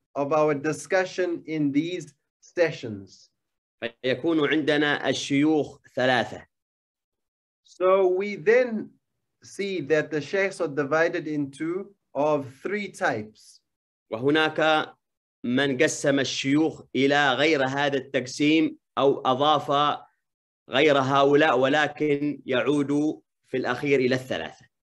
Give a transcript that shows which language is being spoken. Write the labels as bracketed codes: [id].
[en] of our discussion in these sessions. [ar] فيكون عندنا الشيوخ ثلاثة. [en] So we then see that the sheikhs are divided into of three types. [ar] وهناك من قسم الشيوخ إلى غير هذا التقسيم أو أضاف غير هؤلاء ولكن يعود في الأخير إلى الثلاثة.